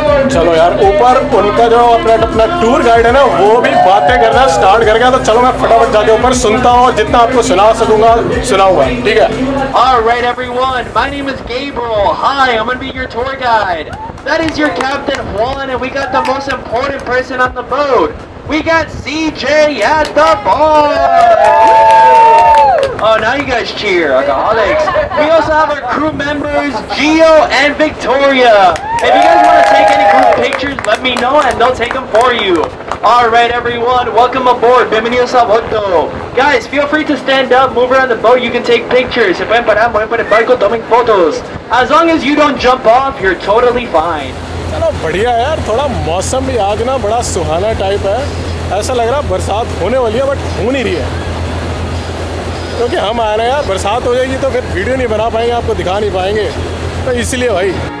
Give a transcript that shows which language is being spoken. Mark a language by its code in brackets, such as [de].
[hi] चलो यार ऊपर उनका जो अपना टूर गाइड है ना वो भी बातें करना स्टार्ट कर गया, तो चलो मैं फटाफट जाके ऊपर सुनता हूँ, जितना आपको सुना सकूंगा सुनाऊंगा, ठीक है। [en] Alright everyone, my name is Gabriel. Hi, I'm gonna be your tour guide. That is your captain Juan, and we got the most important person on the boat. We got CJ at the bar. Oh, now you guys cheer, alcoholics. We also have our crew members Gio and Victoria. If you guys want to take any group pictures, let me know and they'll take them for you. Alright everyone, welcome aboard. [es] Bienvenidos a bordo. [en] Guys, feel free to stand up, move around the boat, you can take pictures. [es] Se pueden parar, mueven por el barco, tomen photos. [en] As long as you don't jump off, you're totally fine. [hi] चलो बढ़िया यार, थोड़ा मौसम भी आज ना बड़ा सुहाना type है, ऐसा लग रहा बरसात होने वाली है बट हो नहीं रही है, क्योंकि हम आ रहे हैं यार, बरसात हो जाएगी तो फिर वीडियो नहीं बना पाएंगे, आपको दिखा नहीं पाएंगे, तो इसलिए भाई।